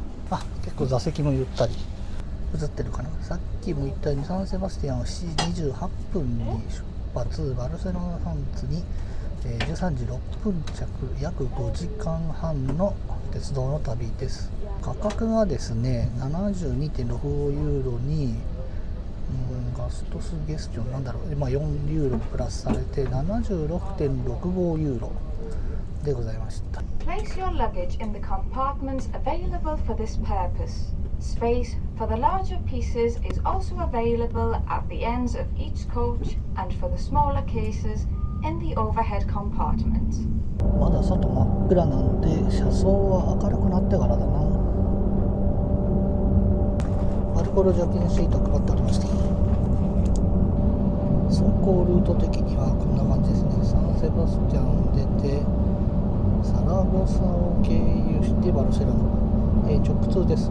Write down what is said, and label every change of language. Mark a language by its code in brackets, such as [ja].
[ja] あ、結構座席もゆったり映ってるかな。さっきも言ったようにサンセバスティアンは7時28分に出発、バルセロナサンツに、13時6分着、約5時間半の鉄道の旅です。価格がですね、 72.65 ユーロに、ガストスゲスチョン、なんだろう、今4ユーロプラスされて 76.65 ユーロでございました。 [en] Place your luggage in the compartments available for this purpose. Space for the larger pieces is also available at the ends of each coach and for the smaller cases in the overhead compartments. [ja] まだ外真っ暗なんで、車窓は明るくなってからだな。アルコール除菌シート配ってありました。走行ルート的にはこんな感じですね。サンセバスチャン出て、サラゴサを経由してバルセロナ、直通です。